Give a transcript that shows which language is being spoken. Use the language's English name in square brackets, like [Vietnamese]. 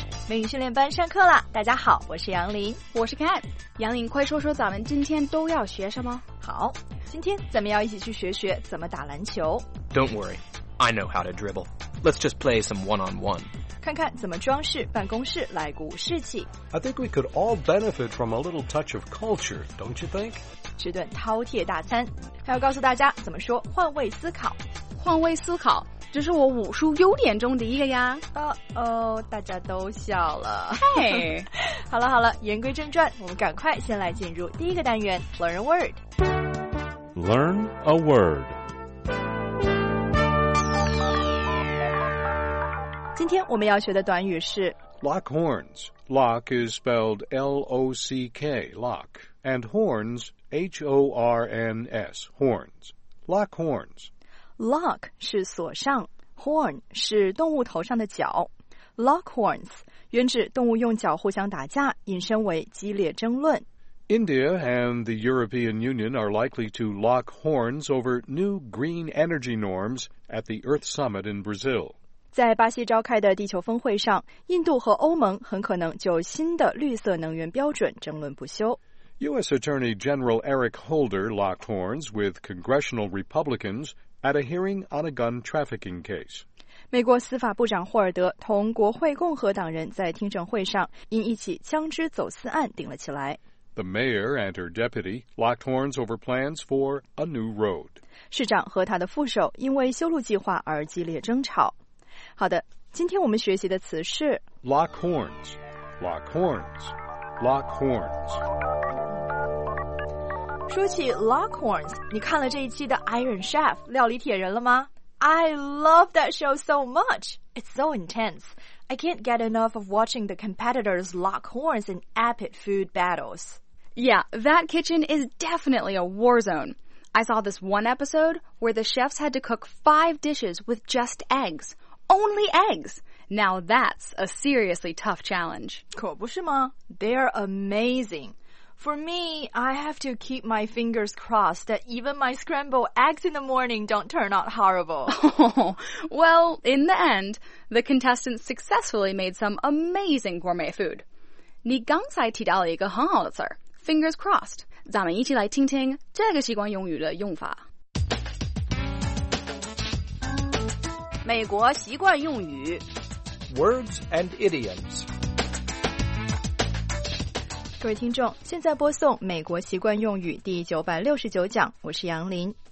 [Chinese] 英语训练班上课了，大家好，我是杨林，我是 Cat。杨林，快说说咱们今天都要学什么。好，今天咱们要一起去学学怎么打篮球。 [English] Don't worry, I know how to dribble. Let's just play some one-on-one. [Chinese] 看看怎么装饰办公室来鼓舞士气。 [English] I think we could all benefit from a little touch of culture, don't you think? [Chinese] 吃顿饕餮大餐，还要告诉大家怎么说换位思考。换位思考，这是我武术优点中的一个呀。大家都笑了。嗨、hey. 好了好了，言归正传，我们赶快先来进入第一个单元 [English] Learn a Word。 Learn a Word。 [Chinese] 今天我们要学的短语是 [English] Lock horns. Lock is spelled L-O-C-K, lock. And horns, H-O-R-N-S, horns. Lock horns. [Chinese] Lock 是锁上， horn 是动物头上的角。 Lock horns 原指动物用角互相打架，引申为激烈争论。 [English] India and the European Union are likely to lock horns over new green energy norms at the Earth Summit in Brazil. [Chinese] 在巴西召开的地球峰会上，印度和欧盟很可能就新的绿色能源标准争论不休。 [English] U.S. Attorney General Eric Holder locked horns with congressional Republicans at a hearing on a gun trafficking case. [Chinese] 美国司法部长霍尔德同国会共和党人在听证会上因一起枪支走私案顶了起来。 [English] The mayor and her deputy locked horns over plans for a new road. [Chinese] 市长和他的副手因为修路计划而激烈争吵。好的，今天我们学习的词是 [English] lock horns, lock horns, lock horns. [Chinese] 说起 lock horns, 你看了这一期的 Iron Chef, 料理铁人了吗？ [English] I love that show so much. It's so intense. I can't get enough of watching the competitors lock horns in epic food battles. Yeah, that kitchen is definitely a war zone. I saw this one episode where the chefs had to cook 5 dishes with just eggs. Only eggs! Now that's a seriously tough challenge. [Chinese] 可不是吗？ [English] They're amazing. For me, I have to keep my fingers crossed that even my scrambled eggs in the morning don't turn out horrible. Oh, well, in the end, the contestants successfully made some amazing gourmet food. [Chinese] 你刚才提到了一个很好的词儿 fingers crossed. 咱们一起来听听这个习惯用语的用法。美国习惯用语 [English] Words and idioms. [Chinese] 各位听众，现在播送美国习惯用语第969讲，我是杨林，